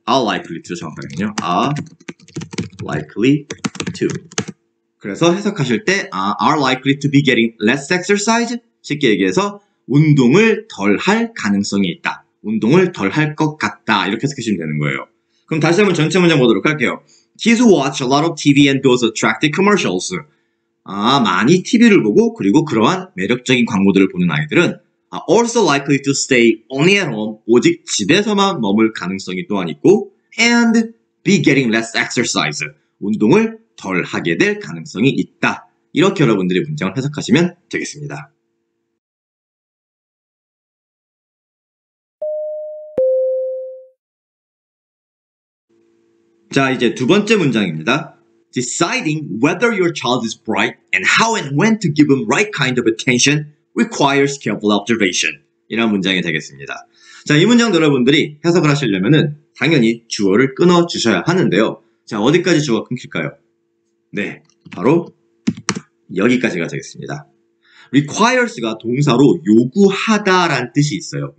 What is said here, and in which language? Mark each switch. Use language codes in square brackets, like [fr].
[en] a likely to [ko] 정확하게는요. [en] a likely to. [ko] 그래서 해석하실 때 [en] are likely to be getting less exercise? [ko] 쉽게 얘기해서 운동을 덜할 가능성이 있다. 운동을 덜할 것 같다. 이렇게 해석하시면 되는 거예요. 그럼 다시 한번 전체 문장 보도록 할게요. [en] He's watched a lot of TV and those attractive commercials. [ko] 아, 많이 TV를 보고 그리고 그러한 매력적인 광고들을 보는 아이들은 [en] also likely to stay only at home. [ko] 오직 집에서만 머물 가능성이 또한 있고 [en] and be getting less exercise. [ko] 운동을 덜 하게 될 가능성이 있다. 이렇게 여러분들이 문장을 해석하시면 되겠습니다. 자, 이제 두 번째 문장입니다. [en] Deciding whether your child is bright and how and when to give them right kind of attention requires careful observation. [ko] 이런 문장이 되겠습니다. 자, 이 문장도 여러분들이 해석을 하시려면은 당연히 주어를 끊어주셔야 하는데요. 자, 어디까지 주어가 끊길까요? 네, 바로 여기까지가 되겠습니다. requires가 동사로 요구하다란 뜻이 있어요.